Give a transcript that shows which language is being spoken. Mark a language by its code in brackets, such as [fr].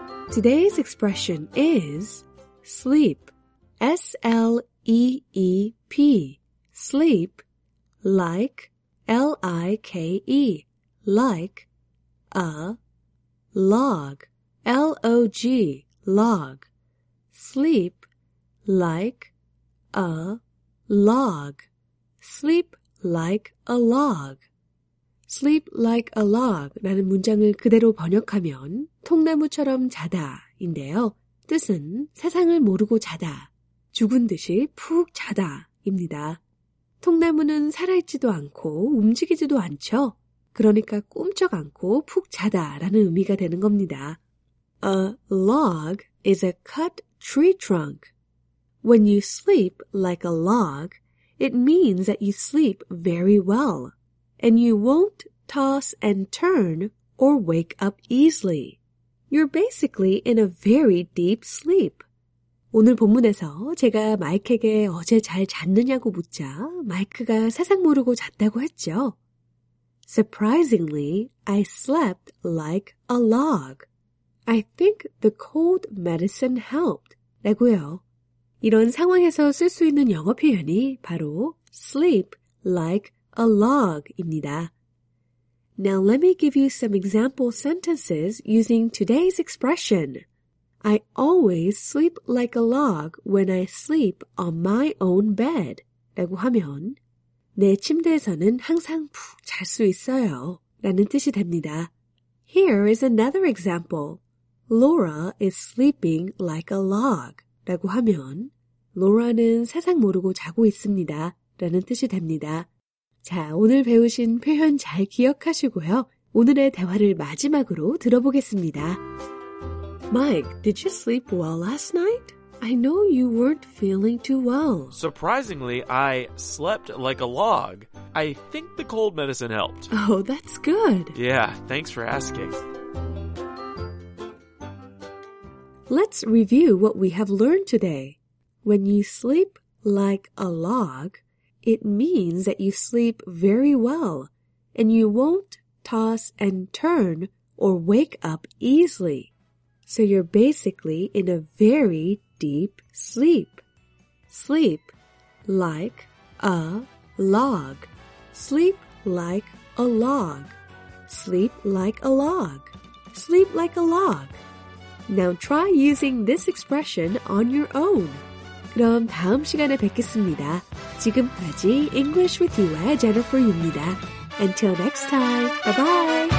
[en] Today's expression is sleep, S-L-E-E-P, sleep, like, L-I-K-E, like, a, log, L-O-G, log, sleep, like, a, log, sleep, like, a log. Sleep like a log [ko] 라는 문장을 그대로 번역하면 통나무처럼 자다 인데요. 뜻은 세상을 모르고 자다, 죽은 듯이 푹 자다 입니다. 통나무는 살아있지도 않고 움직이지도 않죠. 그러니까 꿈쩍 않고 푹 자다 라는 의미가 되는 겁니다. [en] A log is a cut tree trunk. When you sleep like a log, it means that you sleep very well. And you won't toss and turn or wake up easily. You're basically in a very deep sleep. [ko] 오늘 본문에서 제가 마이크에게 어제 잘 잤느냐고 묻자 마이크가 세상 모르고 잤다고 했죠. [en] Surprisingly, I slept like a log. I think the cold medicine helped. [ko] 라고요. 이런 상황에서 쓸 수 있는 영어 표현이 바로 [en] sleep like a log [ko] 입니다. [en] Now let me give you some example sentences using today's expression. I always sleep like a log when I sleep on my own bed. [ko] 라고 하면 내 침대에서는 항상 푹 잘 수 있어요. 라는 뜻이 됩니다. [en] Here is another example. Laura is sleeping like a log. [ko] 라고 하면 로라는 세상 모르고 자고 있습니다. 라는 뜻이 됩니다. 자, 오늘 배우신 표현 잘 기억하시고요. 오늘의 대화를 마지막으로 들어보겠습니다. [en] Mike, did you sleep well last night? I know you weren't feeling too well. Surprisingly, I slept like a log. I think the cold medicine helped. Oh, that's good. Yeah, thanks for asking. Let's review what we have learned today. When you sleep like a log, it means that you sleep very well, and you won't toss and turn or wake up easily. So you're basically in a very deep sleep. Sleep like a log. Sleep like a log. Sleep like a log. Sleep like a log. Now try using this expression on your own. [ko] 그럼 다음 시간에 뵙겠습니다. 지금까지 English with You의 Jennifer 유입니다. [en] Until next time, bye-bye!